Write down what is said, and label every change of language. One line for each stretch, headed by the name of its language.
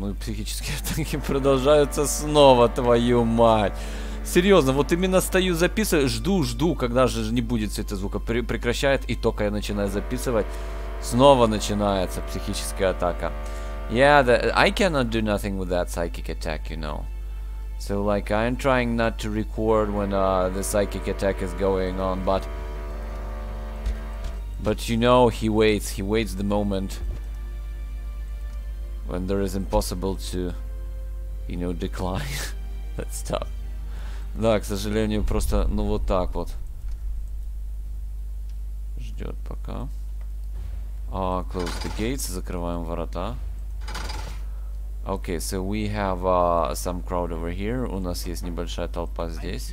Russian: Ну и психические атаки продолжаются снова, твою мать. Серьезно, вот именно стою, записываю, жду, когда же не будет все это звука. Прекращает, и только я начинаю записывать, снова начинается психическая атака.
English: Yeah, I cannot do nothing with that psychic attack, you know. So, like, I'm trying not to record when the psychic attack is going on, but you know, he waits the moment. When there is impossible to, you know, decline that stuff.
Russian: Да, к сожалению, просто, ну вот так вот. Ждет пока.
English: Close the gates,
Russian: закрываем ворота.
English: Okay, so we have some crowd over here.
Russian: У нас есть небольшая толпа здесь.